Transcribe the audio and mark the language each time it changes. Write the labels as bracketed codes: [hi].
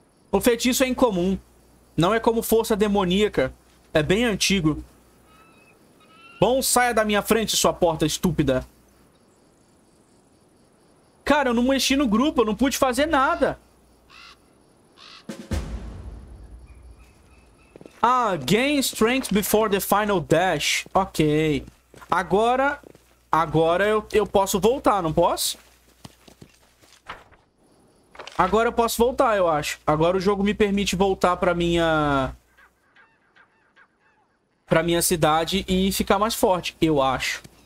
[pt] O feitiço é incomum. Não é como força demoníaca. É bem antigo. Bom, saia da minha frente, sua porta estúpida. Cara, eu não mexi no grupo. Eu não pude fazer nada. [en] Ah, gain strength before the final dash. [pt] Ok. Agora eu posso voltar, não posso? Agora eu posso voltar, eu acho. Agora o jogo me permite voltar pra minha cidade e ficar mais forte, eu acho.